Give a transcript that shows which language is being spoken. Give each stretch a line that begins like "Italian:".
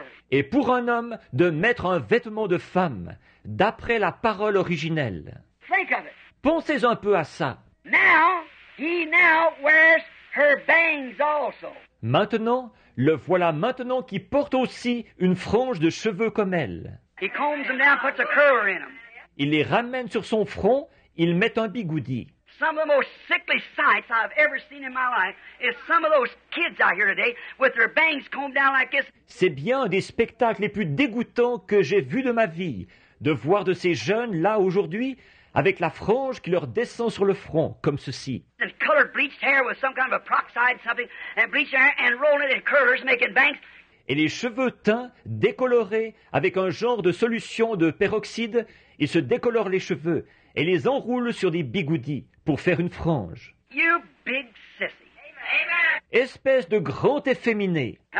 French: Et pour un homme de mettre un vêtement de femme, d'après la parole originelle.
English: Think of it.
French: Pensez un peu à ça.
English: Now he wears her bangs also.
French: Maintenant, le voilà maintenant qui porte aussi une frange de cheveux comme elle.
English: He combs them down, puts a curler in them.
French: Il les ramène sur son front, il met un bigoudi.
English: Some of the most sickly sights I've ever seen in my life is some of those kids out here today with their bangs combed down like this.
French: C'est bien un des spectacles les plus dégoûtants que j'ai vu de ma vie, de voir de ces jeunes là aujourd'hui avec la frange qui leur descend sur le front comme ceci.
English: They colored bleached hair with some kind of a peroxide something and bleached hair and rolling it in curlers making bangs.
French: et les cheveux teints, décolorés, avec un genre de solution de peroxyde, il se décolore les cheveux et les enroule sur des bigoudis pour faire une frange.
English: You big sissy.
French: Espèce de grand efféminé.